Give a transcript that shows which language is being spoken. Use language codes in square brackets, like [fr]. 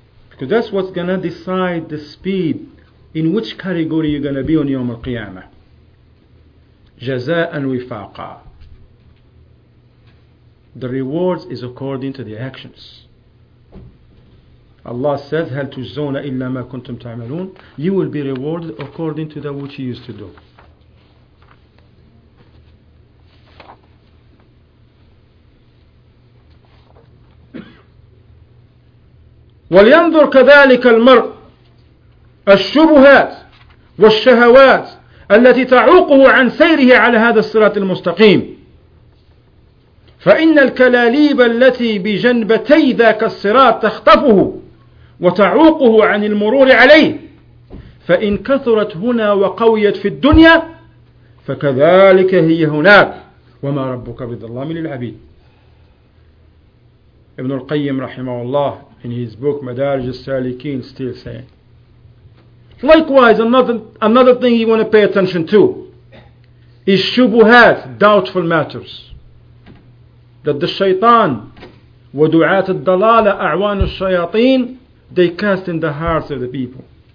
[en] Because that's what's going to decide the speed in which category you're going to be on Yawm al-Qiyamah. [ar] Jaza'an wifaqa. [en] The rewards is according to the actions. Allah says, [ar] هَلْ تُجْزَوْنَ إِلَّا مَا كُنْتُمْ تَعْمَلُونَ. [en] You will be rewarded according to that which you used to do. [ar] وَلْيَنْظُرْ كَذَلِكَ الْمَرْءِ الشُّبُهَاتِ وَالشَّهَوَاتِ الَّتِي تَعُوقُهُ عَنْ سَيْرِهِ عَلَى هَذَا الصِّرَاطِ الْمُسْتَقِيمِ فَإِنَّ الْكَلَالِيبَ الَّتِي بِجَنْبَتَيْ ذَاكَ الصِّرَاطِ تَخْطَفُهُ وتعوقه عن المرور عليه فإن كثرت هنا وقويت في الدنيا فكذلك هي هناك وما ربك بظلام للعبيد. [en] Ibn al-Qayyim [ar] رحمه الله [en] in his book مدارج السالكين still saying, likewise another thing you want to pay attention to is shubuhat, doubtful matters that the shaytan [ar] ودعات الضلالة أعوان الشياطين, [en] they cast in the hearts of the people.